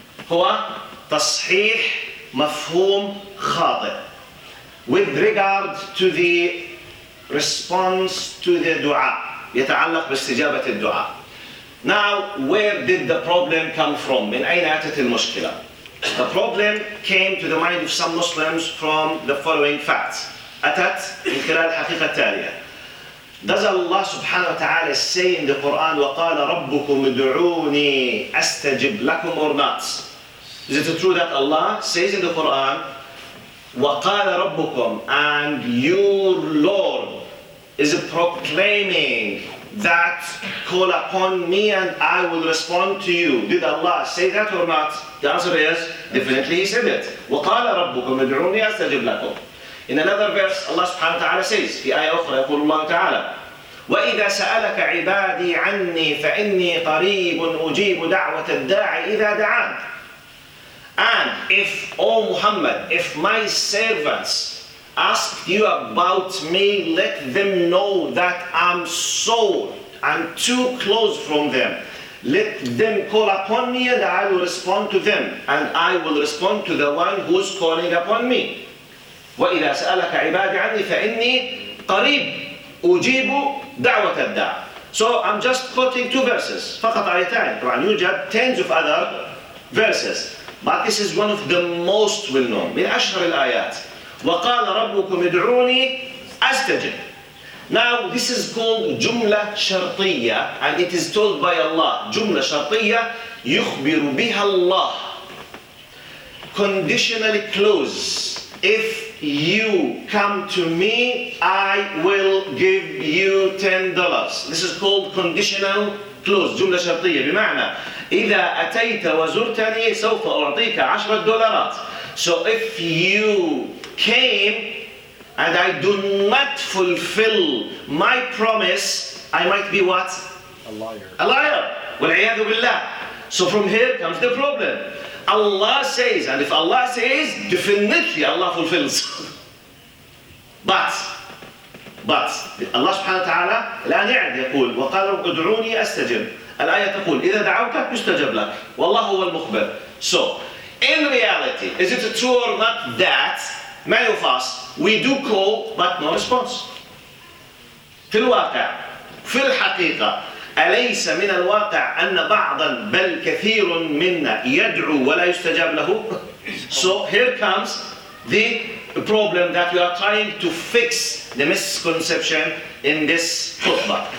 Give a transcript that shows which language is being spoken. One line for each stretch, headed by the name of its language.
Arabic: هو تصحيح مفهوم خاطئ
English: with regard to the response to the dua,
Arabic: يتعلق باستجابة الدعاء.
English: Now, where did the problem come from?
Arabic: من أين أتت المشكلة?
English: The problem came to the mind of some Muslims from the following facts.
Arabic: أتت من خلال الحقيقة التالية.
English: Does Allah subhanahu wa ta'ala say in the Quran,
Arabic: وَقَالَ رَبُّكُمْ دُعُونِي أَسْتَجِبْ لَكُمْ
English: or not? Is it true that Allah says in the Quran,
Arabic: وَقَالَ رَبُّكُمْ
English: and your Lord is proclaiming that call upon me and I will respond to you. Did Allah say that or not? The answer is definitely he said it.
Arabic: وَقَالَ رَبُّكُمْ ادْعُونِي أَسْتَجِبْ لَكُمْ.
English: In another verse, Allah subhanahu wa ta'ala says,
Arabic: في آية أخرى يقول الله تعالى, وإذا سألك عبادي عني فإني قريب أجيب دعوة الداعي إذا دعان.
English: And if, O Muhammad, if my servants asked you about me, let them know that I'm so, I'm too close from them. Let them call upon me and I will respond to them. And I will respond to the one who's calling upon me.
Arabic: وَإِذَا سَأَلَكَ عِبَادِ عَنِّي فَإِنِّي قَرِيبُ أُجِيبُ دَعْوَةَ الدَّعْ.
English: So I'm just quoting two verses.
Arabic: فقط آيتان. طبعا يوجد
English: tens of other verses. But this is one of the most well-known.
Arabic: من أشهر الآيات. وَقَالَ رَبُّكُمْ ادْعُونِي أَسْتَجِبْ.
English: Now this is called
Arabic: جملة شرطية.
English: And it is told by Allah.
Arabic: جملة شرطية يخبر بها الله.
English: Conditionally close. If you come to me, I will give you $10. This is called conditional close.
Arabic: جملة شرطية بمعنى إذا أتيت وزرتني سوف أعطيك $10.
English: So if you came and I do not fulfill my promise, I might be what? A liar. A liar.
Arabic: والعياذ بالله.
English: So from here comes the problem. Allah says, and if Allah says, definitely Allah fulfills. But
Arabic: Allah سبحانه وتعالى لا نعد يقول وقال ادعوني أستجب. الآية تقول إذا دعوك يستجب لك والله هو المخبر.
English: So in reality, is it true or not that many of us we do call but no response?
Arabic: في الواقع في الحقيقة أليس من الواقع أن بعضا بل كثير منا يدعو ولا يستجاب له؟
English: So here comes the problem that we are trying to fix the misconception in this khutbah.